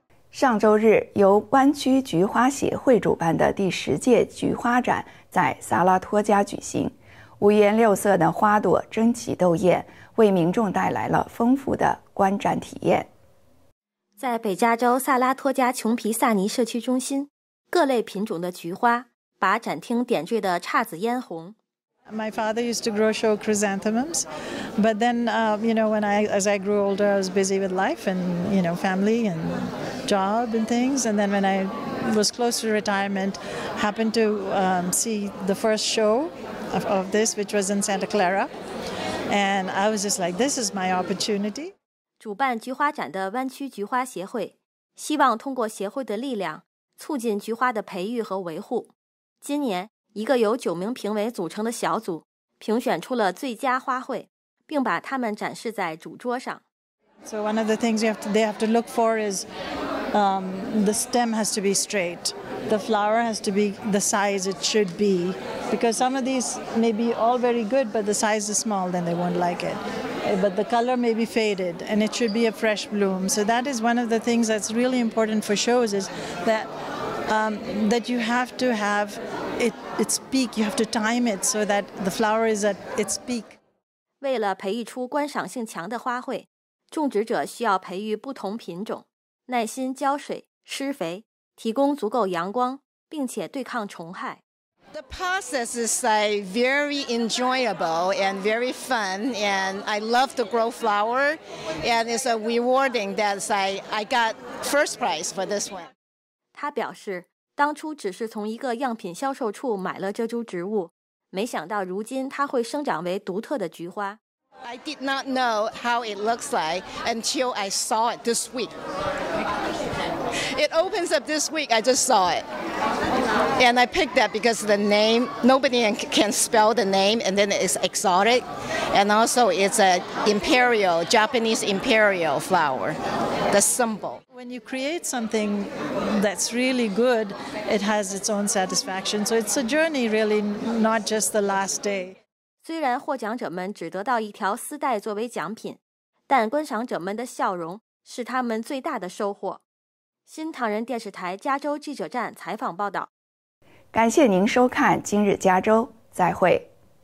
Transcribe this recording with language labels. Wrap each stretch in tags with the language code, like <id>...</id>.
<zh>上周日，由湾区菊花协会主办的第10届菊花展在萨拉托加举行。 5颜6色的花朵争奇斗艳，为民众带来了丰富的观展体验。在北加州萨拉托加琼皮萨尼社区中心，各类品种的菊花把展厅点缀得姹紫嫣红。</zh> <en>My father used to grow show chrysanthemums, but then, you know, as I grew older, I was busy with life and, you know, family and job and things. And then when I was close to retirement, happened to see the first show of this, which was in Santa Clara, and I was just like, this is my opportunity.</en> <zh>主办菊花展的湾区菊花协会希望通过协会的力量促进菊花的培育和维护。今年一个由九名评委组成的小组评选出了最佳花卉，并把它们展示在主桌上。</zh> <en>So one of the things you have to, they have to look for is, the stem has to be straight, the flower has to be the size it should be, because some of these may be all very good, but the size is small, then they won't like it. But the color may be faded, and it should be a fresh bloom. So that is one of the things that's really important for shows is that, that you have to have it its peak, you have to time it so that the flower is at its peak.</en> <zh>为了培育出观赏性强的花卉。种植者需要培育不同品种，耐心浇水、施肥，提供足够阳光，并且对抗虫害。</zh> <en>The process is like very enjoyable and very fun, and I love to grow flower, and it's a rewarding that I got first prize for this one.</en> <zh>他表示，当初只是从一个样品销售处买了这株植物，没想到如今它会生长为独特的菊花。</zh> <en>I did not know how it looks like until I saw it this week. It opens up this week, I just saw it. And I picked that because the name, nobody can spell the name, and then it's exotic. And also it's an imperial, Japanese imperial flower, the symbol. When you create something that's really good, it has its own satisfaction. So it's a journey really, not just the last day.</en> <zh>虽然获奖者们只得到一条丝带作为奖品，但观赏者们的笑容是他们最大的收获。新唐人电视台加州记者站采访报道。感谢您收看今日加州，再会。</zh>